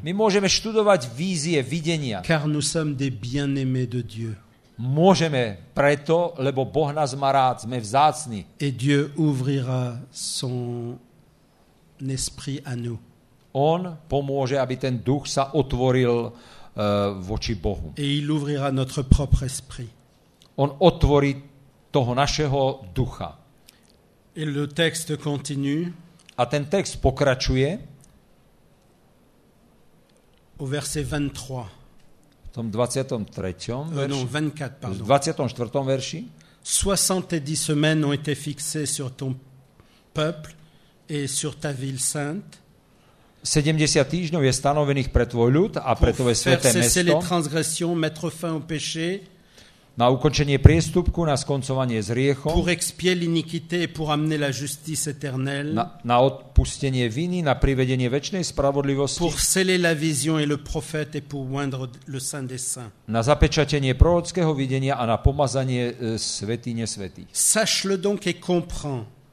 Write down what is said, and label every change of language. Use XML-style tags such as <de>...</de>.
<sk>My môžeme študovať vízie, videnia.</sk> <fr>Car nous sommes des bien-aimés de Dieu.</fr> <sk>Môžeme preto, lebo Boh nás má rád, sme vzácni.</sk> <fr>Et Dieu ouvrira son esprit à nous.</fr> <sk>On pomôže, aby ten duch sa otvoril voči Bohu.</sk> <fr>Et il ouvrira notre propre esprit.</fr> <sk>On otvorí toho našeho ducha.</sk> <fr>Et le texte continue.</fr> <sk>A ten text pokračuje.</sk> <fr>Au verset 23.</fr> <sk>V tom 23.</sk> <fr>verši. Non, 24, pardon.</fr> <sk>V 24. verši.</sk> <fr>70 semaines ont été fixées sur ton peuple et sur ta ville sainte.</fr> <sk>70 týždňov je stanovených pre tvoj ľud a pre tvoje sväté mesto.</sk> <fr>Cesser les transgressions, mettre fin au péché.</fr> <sk>Na ukončenie priestupku, na skoncovanie s hriechom.</sk> <fr>Pour expier l'iniquité et pour amener la justice éternelle.</fr> <sk>Na odpustenie viny, na privedenie večnej spravodlivosti.</sk> <fr>Pour sceller la vision et le prophète et pour oindre le saint des saints.</fr> <sk>Na zapečatenie prorockého videnia a na pomazanie svätyne svätých.</sk> <fr>Sache-le donc et comprends.</fr>